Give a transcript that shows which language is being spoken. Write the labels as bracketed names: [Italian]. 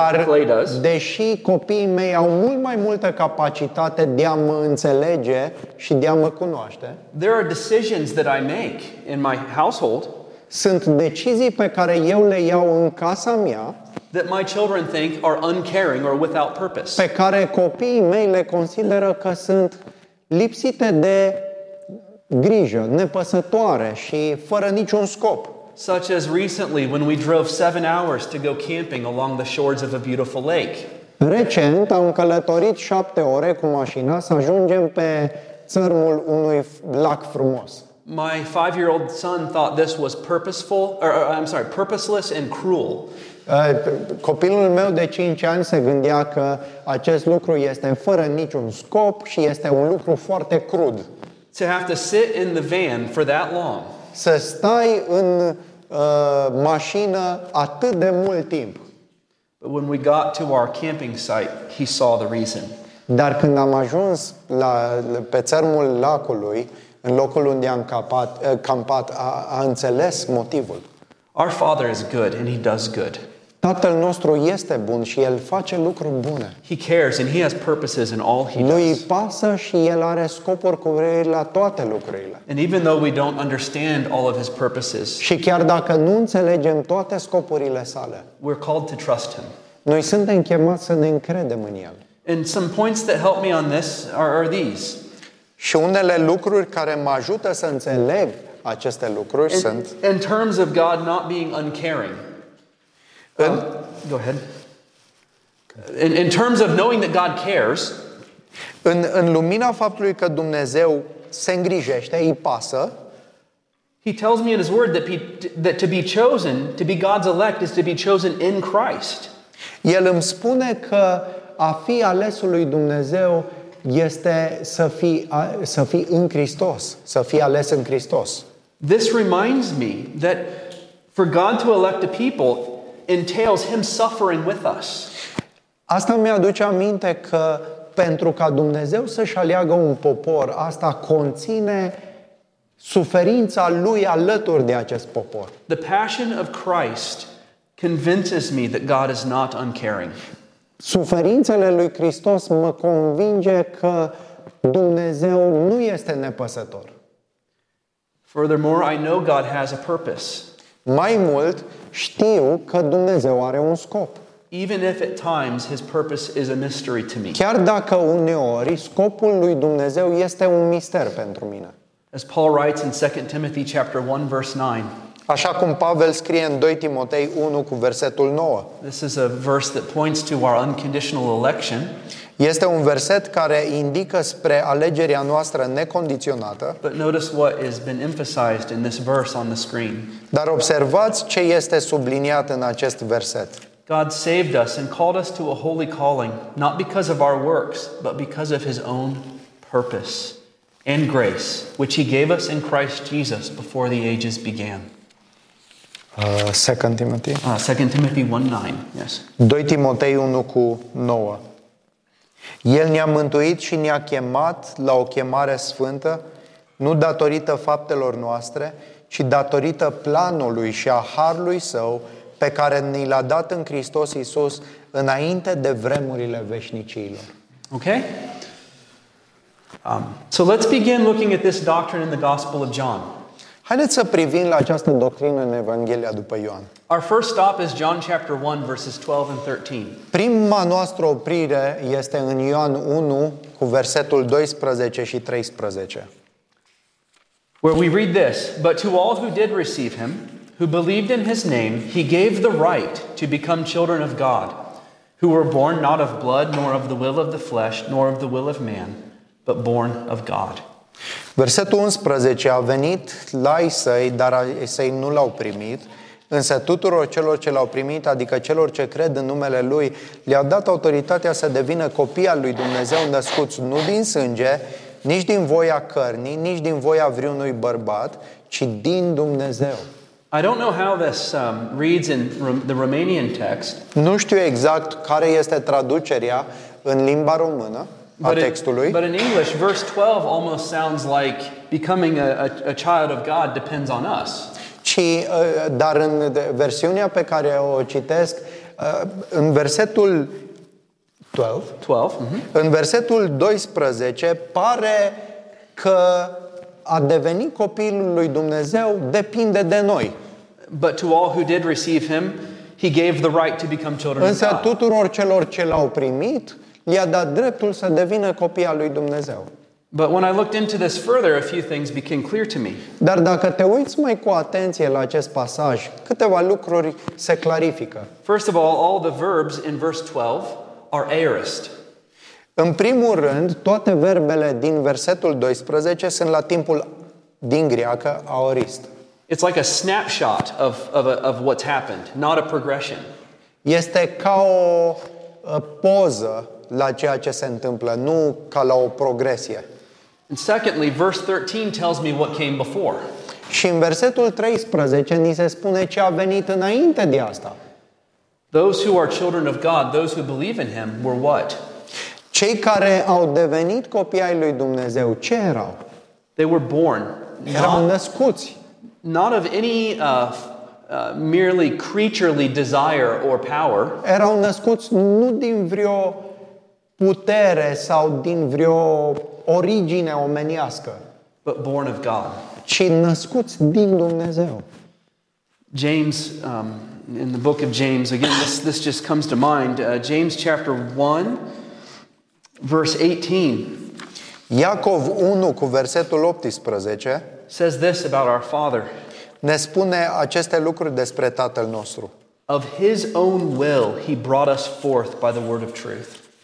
[Romanian] dar, [English] clay does. [Romanian] Deși copiii mei au mult mai multă capacitate de a mă înțelege și de a mă cunoaște. [English] There are decisions that I make in my household. [Romanian] Sunt decizii pe care eu le iau în casa mea. [English] That my children think are uncaring or without purpose. [Romanian] Pe care copiii mei le consideră că sunt lipsite de grijă, nepăsătoare și fără niciun scop. [English] Such as recently when we drove 7 hours to go camping along the shores of a beautiful lake. [Romanian] Recent am călătorit 7 ore cu mașina să ajungem pe țărmul unui lac frumos. [English] My 5-year-old son thought this was purposeful or I'm sorry, purposeless and cruel. [Romanian] Copilul meu de 5 ani se gândea că acest lucru este fără niciun scop și este un lucru foarte crud. [English] To have to sit in the van for that long. [Romanian] Să stai în mașină atât de mult timp. [English] But when we got to our camping site, he saw the reason. [Romanian] Dar când am ajuns la pe țărmul lacului, în locul unde am campat, a înțeles motivul. [English] Our Father is good and he does good. [Romanian] Tatăl nostru este bun și el face lucruri bune. [English] He cares and he has purposes in all he does. [Romanian] Lui pasă și el are scopuri cu privire la toate lucrurile. [English] And even though we don't understand all of his purposes. [Romanian] Și chiar dacă nu înțelegem toate scopurile sale. [English] We're called to trust him. [Romanian] Noi suntem chemați să ne încredem în el. [English] And some points that help me on this are these. [Romanian] Și unele lucruri care mă ajută să înțeleg aceste lucruri sunt [English] in terms of God not being uncaring. Go ahead. In terms of knowing that God cares, [Romanian] în lumina faptului că Dumnezeu se îngrijește, îi pasă, [English] he tells me in his word that to be chosen, to be God's elect is to be chosen in Christ. [Romanian] El îmi spune că a fi alesul lui Dumnezeu este să fii în Hristos, să fii ales în Hristos. [English] This reminds me that for God to elect a people entails him suffering with us. [Romanian] Asta mi-aduce aminte că pentru ca Dumnezeu să-și aleagă un popor, asta conține suferința lui alături de acest popor. [English] The passion of Christ convinces me that God is not uncaring. [Romanian] Suferințele lui Hristos mă convinge că Dumnezeu nu este nepăsător. [English] Furthermore, I know God has a purpose. [Romanian] Mai mult, știu că Dumnezeu are un scop. [English] Even if at times his purpose is a mystery to me. [Romanian] Chiar dacă uneori scopul lui Dumnezeu este un mister pentru mine. [English] As Paul writes in 2 Timothy chapter 1 verse 9. [Romanian] Așa cum Pavel scrie în 2 Timotei 1 cu versetul 9. [English] This is a verse that points to our unconditional election. [Romanian] Este un verset care indică spre alegerea noastră necondiționată. [English] But notice what has been emphasized in this verse on the screen. [Romanian] Dar observați ce este subliniat în acest verset. [English] God saved us and called us to a holy calling, not because of our works, but because of his own purpose and grace, which he gave us in Christ Jesus before the ages began. 2 Timothy. 2 Timothy 1:9. Yes. [Romanian] 2 Timotei 1 cu 9. El ne-a mântuit și ne-a chemat la o chemare sfântă, nu datorită faptelor noastre, ci datorită planului și a harului său pe care ni l-a dat în Hristos Iisus înainte de vremurile veșniciilor. [English] Okay? So let's begin looking at this doctrine in the Gospel of John. [Romanian] Haideți să privim la această doctrină în Evanghelia după Ioan. [English] Our first stop is John chapter 1 verses 12 and 13. [Romanian] Prima noastră oprire este în Ioan 1 cu versetul 12 și 13. [English] Where we read this, but to all who did receive him, who believed in his name, he gave the right to become children of God, who were born not of blood, nor of the will of the flesh, nor of the will of man, but born of God. [Romanian] Versetul 11. A venit la ei săi, dar ei săi nu l-au primit, însă tuturor celor ce l-au primit, adică celor ce cred în numele lui, le-a dat autoritatea să devină copii al lui Dumnezeu născuți nu din sânge, nici din voia cărnii, nici din voia vreunui bărbat, ci din Dumnezeu. [English] I don't know how this reads in the Romanian text. [Romanian] Nu știu exact care este traducerea în limba română a textului. [English] But in English, verse 12 almost sounds like becoming a child of God depends on us. [Romanian] Ci, dar în versiunea pe care o citesc, în versetul 12, mm-hmm. În versetul 12 pare că a deveni copilul lui Dumnezeu depinde de noi. [English] But to all who did receive him, he gave the right to become children [Romanian] însă [English] of God. [Romanian] Tuturor celor ce l-au primit, le-a dat dreptul să devină copii al lui Dumnezeu. [English] But when I looked into this further, a few things became clear to me. [Romanian] Dar dacă te uiți mai cu atenție la acest pasaj, câteva lucruri se clarifică. [English] First of all the verbs in verse 12 are aorist. [Romanian] În primul rând, toate verbele din versetul 12 sunt la timpul din greacă aorist. [English] It's like a snapshot of what's happened, not a progression. [Romanian] Este ca o poză la ceea ce se întâmplă, nu ca la o progresie. [English] And secondly, verse 13 tells me what came before. [Romanian] Și în versetul 13 ni se spune ce a venit înainte de asta. [English] Those who are children of God, those who believe in him, were what? [Romanian] Cei care au devenit copii ai lui Dumnezeu, ce erau? [English] They were born. [Romanian] Erau născuți. [English] Not of any merely creaturely desire or power. [Romanian] Erau născuți nu din vreo putere sau din vreo origine omenească, [English] but born of God. [Romanian] Ci născuți din Dumnezeu. [English] James, in the book of James, again, this just comes to mind. James chapter 1, verse 18. [Romanian] Iacov 1 cu versetul 18. [English] Says this about our father. [Romanian] Ne spune aceste lucruri despre tatăl nostru. [English] Of his own will he brought us forth by the word of truth.